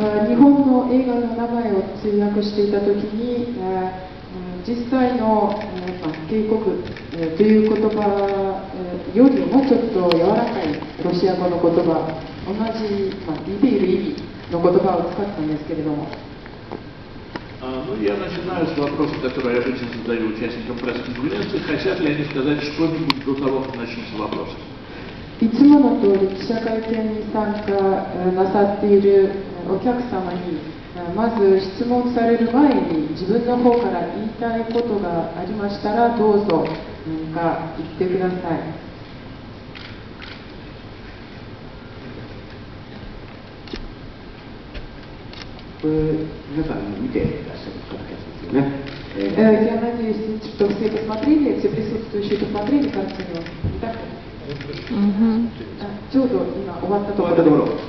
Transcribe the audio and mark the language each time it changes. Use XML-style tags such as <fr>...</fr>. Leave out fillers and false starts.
<ru>Японского фильма название перевели, когда действительно</ru> <ja>«Кейкоку» という言葉よりもちょっと柔らかいロシア語の言葉、同じ似ている意味の言葉を使ったんですけれども、</ja> <ru>я начинаю с вопроса, который обычно задаю участникам пресс-конференции, хотят ли они сказать что-нибудь до того, как начнутся вопросы.</ru> <ja>いつもの通り記者会見に参加なさっているお客様に、まず質問される前に自分の方から言いたいことがありましたらどうぞ何か言ってください。皆さん見ていらっしゃる方ですよね。</ja> <ru>я надеюсь, что все посмотрели, все присутствующие посмотрели картину. Итак,</ru> <ja>ちょうど今終わったところ。</ja>